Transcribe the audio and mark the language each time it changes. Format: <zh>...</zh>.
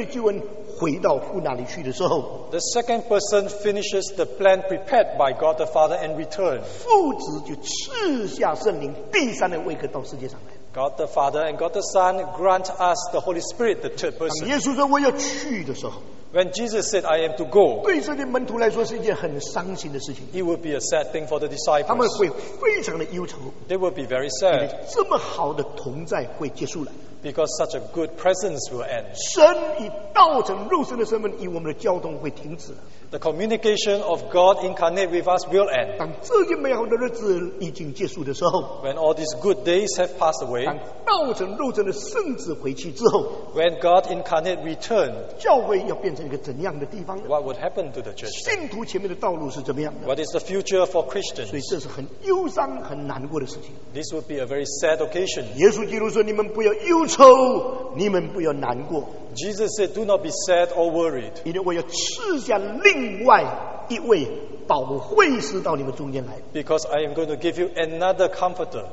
<zh>第二位格成全了第一个位格所预备的救恩回到父那里去的时候,</zh> <en>the second person finishes the plan prepared by God the Father and returns.</en> <zh>父子就赐下圣灵第三个位格到世界上来。</zh> <en>God the Father and God the Son grant us the Holy Spirit, the third person.</en> <zh>当耶稣说我要去的时候,</zh> <en>when Jesus said, I am to go,</en> <zh>对这些门徒来说是一件很伤心的事情。</zh> <en>It would be a sad thing for the disciples.</en> <zh>他们会非常的忧愁。</zh> <en>They would be very sad.</en> <zh>这么好的同在会结束了。</zh> <en>Because such a good presence will end.</en> <zh>神以道成肉身的身份, 以我们的交通会停止了。</zh> <en>The communication of God incarnate with us will end.</en> <zh>当这些美好的日子已经结束的时候,</zh> <en>when all these good days have passed away,</en> <zh>当道成肉身的圣子回去之后,</zh> <en>when God incarnate returned,</en> <zh>教会要变成一个怎样的地方呢?</zh> <en>What would happen to the church?</en> <zh>信徒前面的道路是怎么样的?</zh> <en>What is the future for Christians?</en> <zh>所以这是很忧伤很难过的事情。</zh> <en>This would be a very sad occasion.</en> <zh>耶稣基督说你们不要忧愁你们不要难过。</zh> <en>Jesus said, do not be sad or worried.</en> <zh>因为我要赐下另外一位保惠师到你们中间来。</zh> <en>Because I am going to give you another comforter.</en>